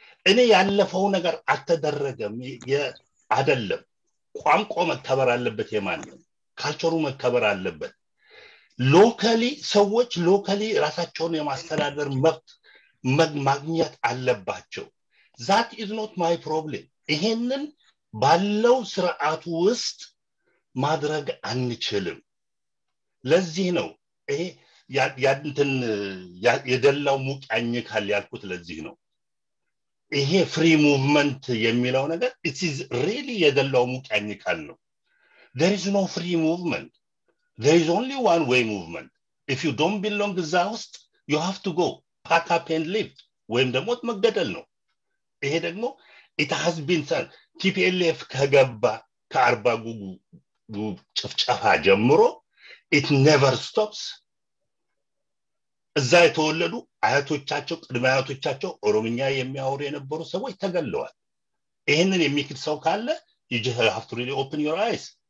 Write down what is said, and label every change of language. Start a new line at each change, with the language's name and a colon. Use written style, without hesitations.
Amharic: እኔ ያለፈው ነገር አልተደረገም አይደለም። ቋንቋ መከበር አለበት፣ የማንም ካልቸሩ መከበር አለበት። ሎካሊ ሰዎች ሎካሊ ራሳቸውን የማስተዳደር መብት ማግኘት አለባቸው።
English: ዛት ኢዝ ኖት ማይ ፕሮብሌም።
Amharic: ይሄንን ባለው ስርዓቱ ውስጥ ማድረግ አንችልም። ለዚህ ነው ይሄ ያንተን የደላው ሙቀኝ ካል ያልኩት። ለዚህ ነው ይሄ
English: ፍሪ ሙቭመንት
Amharic: የሚለው ነገር
English: ኢትስ ኢዝ ሪሊ
Amharic: የደላው ሙቀኝ
English: ካል ነው። ዴር ኢዝ ኖ ፍሪ ሙቭመንት። There is only one way movement. If you don't belong zaust, you have to go. Pack up and leave.
Amharic: ወይም ደግሞ መገደል ነው። ይሄ ደግሞ
English: it has been said.
Amharic: TPLF ከገባ ከአርባ ጉጉ ጭፍጨፋ ጀምሮ
English: it never stops.
Amharic: እዛ የተወለዱ አያቶቻቸው ቅድመ አያቶቻቸው ኦሮምኛ የሚያወሩ የነበሩ ሰዎች ተገለዋል። ይሄንን የሚክድ ሰው ካለ
English: you just have to really open your eyes.